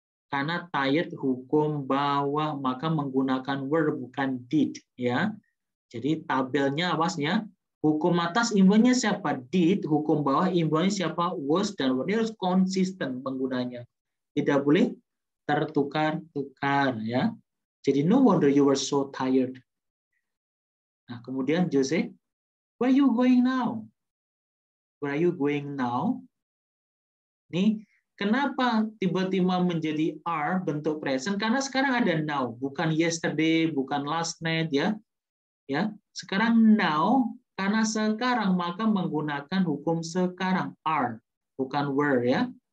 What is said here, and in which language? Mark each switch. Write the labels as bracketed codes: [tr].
[id] Karena tired hukum bawah, maka menggunakan were bukan did, ya. Jadi tabelnya awas ya. Hukum atas imbuhannya siapa? Did, hukum bawah imbuhannya siapa? Was dan were. Ini harus konsisten penggunanya. Tidak boleh tertukar-tukar, ya. Jadi [en] no wonder you were so tired. [id] Nah, kemudian [en] Jose, where are you going now? Where are you going now? [id] Nih, kenapa tiba-tiba menjadi are bentuk present? Karena sekarang ada now, bukan yesterday, bukan last night, ya. Ya, sekarang now, karena sekarang maka menggunakan hukum sekarang are, bukan were, ya.